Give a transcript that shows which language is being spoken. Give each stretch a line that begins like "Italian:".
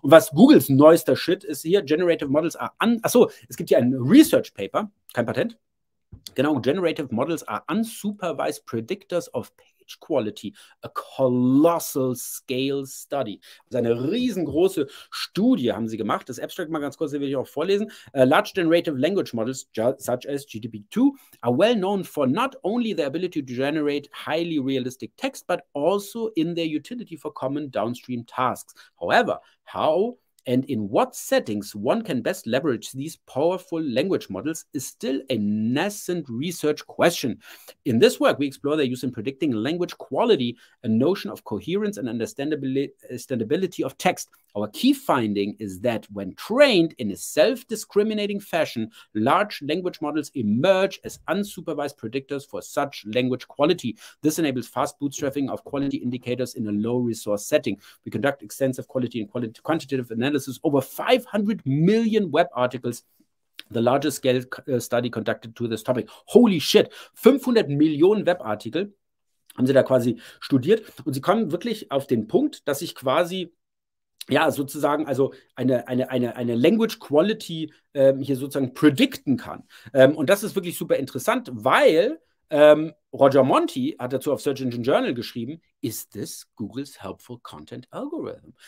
German: Und was Googles neuester Shit ist hier,
English: Generative Models are
German: es gibt hier ein Research Paper, kein Patent, genau,
English: Generative Models are unsupervised predictors of page quality, a colossal scale study.
German: Also eine riesengroße Studie haben sie gemacht, das Abstract mal ganz kurz, den will ich auch vorlesen.
English: Large generative language models, such as GPT-2, are well known for not only their ability to generate highly realistic text, but also in their utility for common downstream tasks. However, how and in what settings one can best leverage these powerful language models is still a nascent research question. In this work, we explore their use in predicting language quality, a notion of coherence and understandability of text. Our key finding is that when trained in a self-discriminating fashion, large language models emerge as unsupervised predictors for such language quality. This enables fast bootstrapping of quality indicators in a low-resource setting. We conduct extensive quality and quantitative analysis over 500 million web articles, the largest scale study conducted to this topic.
German: Holy shit, 500 Millionen Webartikel haben sie da quasi studiert und sie kommen wirklich auf den Punkt, dass ich quasi ja, sozusagen, also eine Language Quality hier sozusagen predikten kann. Und das ist wirklich super interessant, weil Roger Monti hat dazu auf Search Engine Journal geschrieben,
English: ist this Google's helpful content algorithm?